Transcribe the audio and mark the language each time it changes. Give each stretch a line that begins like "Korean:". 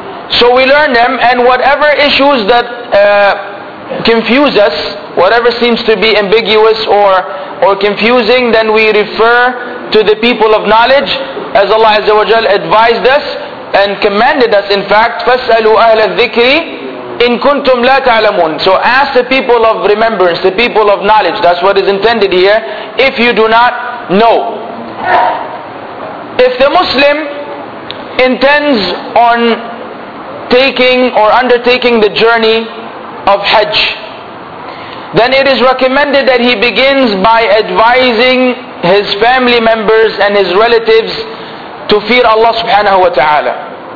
English: So we learn them, and whatever issues that confuse us, whatever seems to be ambiguous or confusing, then we refer to the people of knowledge, as Allah Azza wa Jalla advised us and commanded us. In fact,
Arabic: فَاسْأَلُوا أَهْلَ الذِّكْرِ إِن كُنْتُمْ لَا تَعْلَمُونَ.
English: So ask the people of remembrance, the people of knowledge. That's what is intended here, if you do not know. If the Muslim intends on taking or undertaking the journey of Hajj, then it is recommended that he begins by advising his family members and his relatives to fear Allah subhanahu wa ta'ala.